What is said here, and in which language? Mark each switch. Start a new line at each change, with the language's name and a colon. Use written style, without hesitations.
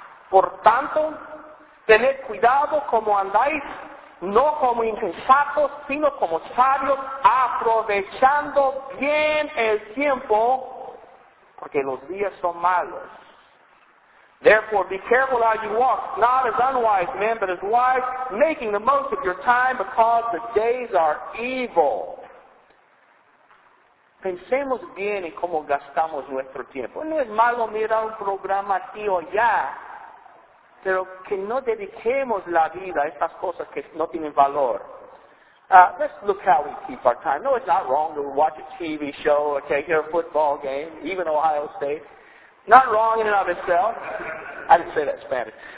Spanish: Por tanto, tened cuidado como andáis, no como insensatos, sino como sabios, aprovechando bien el tiempo, porque los días son malos.
English: Therefore, be careful how you walk, not as unwise men, but as wise, making the most of your time, because the days are evil.
Spanish: Pensemos bien en cómo gastamos nuestro tiempo. No es malo mirar un programa aquí o allá, pero que no dediquemos la vida a estas cosas que no tienen valor.
English: Let's look how we keep our time. No, it's not wrong to watch a TV show or take a football game, even Ohio State. Not wrong in and of itself. I didn't say that Spanish.